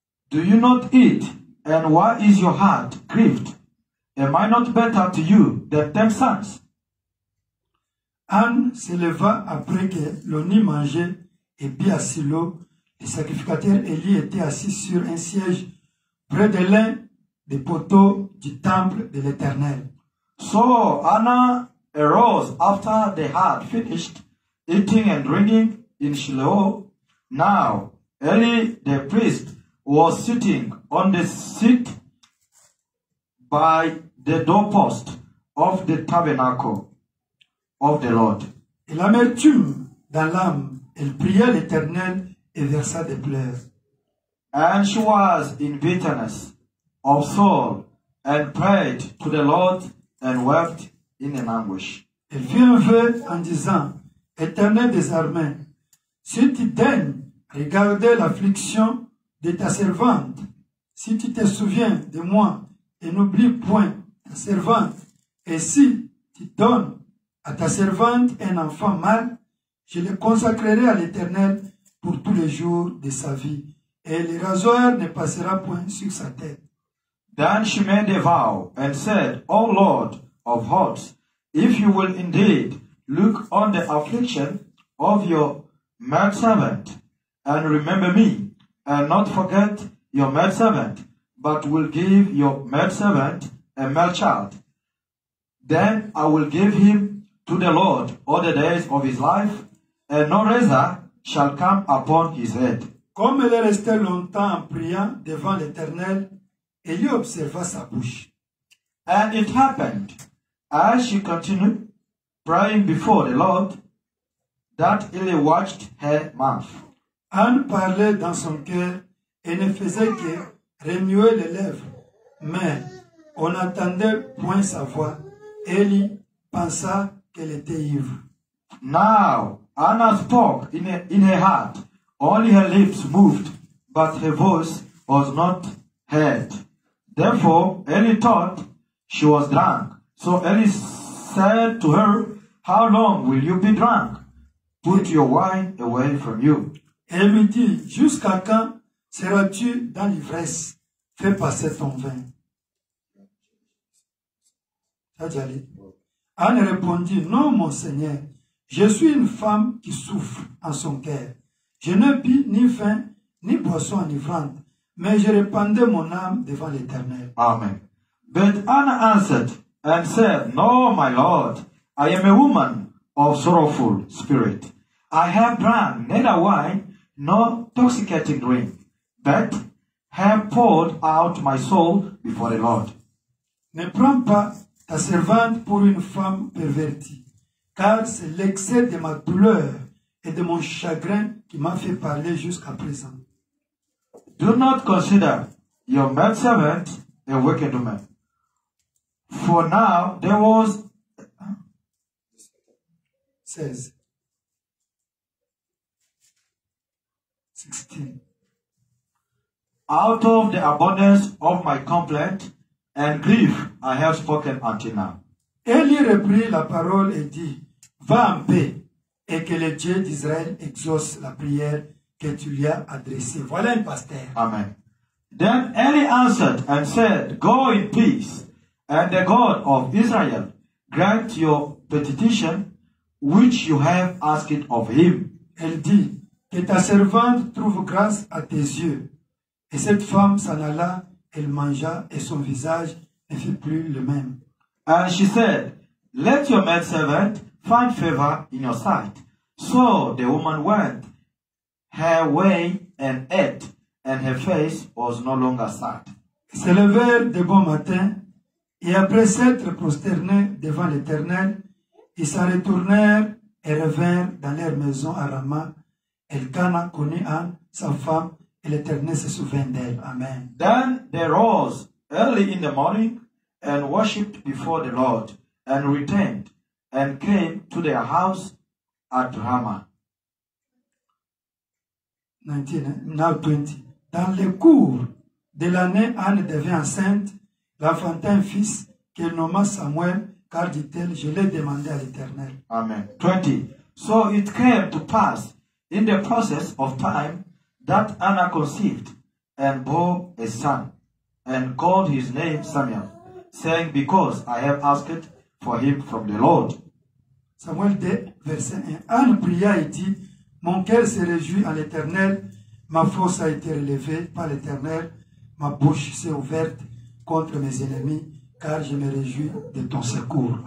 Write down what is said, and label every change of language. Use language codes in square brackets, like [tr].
[en] Do you not eat? And why is your heart grieved? Am I not better to you than 10 sons? [fr] Anne se leva après que l'on eut mangé et bu à Silo. Le sacrificateur Élie était assis sur un siège près de l'un des poteaux du temple de l'Éternel. [en] So Anna arose after they had finished eating and drinking in Shiloh. Now Eli the priest was sitting on the seat by the doorpost of the tabernacle of the Lord. [fr] Et l'amertume dans l'âme, elle priait l'Éternel et versa des pleurs. [en] And she was in bitterness of soul and prayed to the Lord and wept in an anguish. [fr] Elle fit un vœu en disant, Éternel des armées, si tu daignes regarder l'affliction de ta servante, si tu te souviens de moi et n'oublie point ta servante, et si tu donnes à ta servante un enfant mâle, je le consacrerai à l'Éternel pour tous les jours de sa vie, et le rasoir ne passera point sur sa tête. [en] Then she made a vow and said, O Lord of hosts, if you will indeed look on the affliction of your maidservant and remember me and not forget your maidservant, but will give your maidservant a male child, then I will give him to the Lord all the days of his life, and no razor shall come upon his head. [fr] Comme elle restait longtemps en priant devant l'Éternel, Élie observa sa bouche. [en] And it happened, as she continued praying before the Lord, that Élie watched her mouth. [fr] Anne parlait dans son cœur et ne faisait que remuer les lèvres, mais on n'entendait point sa voix. Élie pensa qu'elle était ivre. [en] Now, Anna spoke in her heart. Only her lips moved, but her voice was not heard. Therefore, Elie thought she was drunk. So Elie said to her, how long will you be drunk? Put your wine away from you. [fr] Elle lui dit, jusqu'à quand seras-tu dans l'ivresse? Fais passer ton vin. Anne répondit, non, mon Seigneur, je suis une femme qui souffre en son cœur. Je ne bu ni vin, ni boisson enivrante, mais je répandais mon âme devant l'Éternel. Amen. [en] But Anna answered and said, no, my Lord, I am a woman of sorrowful spirit. I have drunk neither wine nor intoxicating drink, but have poured out my soul before the Lord. [fr] Ne prends pas ta servante pour une femme pervertie, car c'est l'excès de ma douleur et de mon chagrin qui m'a fait parler jusqu'à présent. [en] Do not consider your maidservant a wicked woman. For now there was... 16. Out of the abundance of my complaint and grief I have spoken unto now. [fr] Elie reprit la parole et dit, va en paix, et que le Dieu d'Israël exauce la prière que tu lui as adressée. Voilà un pasteur. Amen. [en] Then Elie answered and said, go in peace, and the God of Israel grant your petition which you have asked of him. [fr] Elle dit, que ta servante trouve grâce à tes yeux. Et cette femme s'en alla, elle mangea, et son visage ne fut plus le même. [en] And she said, let your maidservant find favor in your sight. So the woman went her way and ate, and her face was no longer sad. [fr] Se levèrent de bon matin, et après s'être prosternés devant l'Éternel, ils s'en retournèrent et revinrent dans leur maison à Rama. Elkanah connut Anne, sa femme, et l'Éternel se souvint d'elle. Amen. [en] Then they rose early in the morning and worshipped before the Lord and returned and came to their house at Ramah. 20. [fr] Dans le cours de l'année, Anne devint enceinte, l'enfant un fils qu'elle nomma Samuel, car dit-elle, je l'ai demandé à l'Éternel. Amen. 20. [en] So it came to pass in the process of time that Anna conceived and bore a son and called his name Samuel. saying, because I have asked for him from the Lord. [fr] Samuel 2, verset 1. Anne pria et dit, mon cœur se réjouit à l'Éternel, ma force a été relevée par l'Éternel, ma bouche s'est ouverte contre mes ennemis, car je me réjouis de ton secours.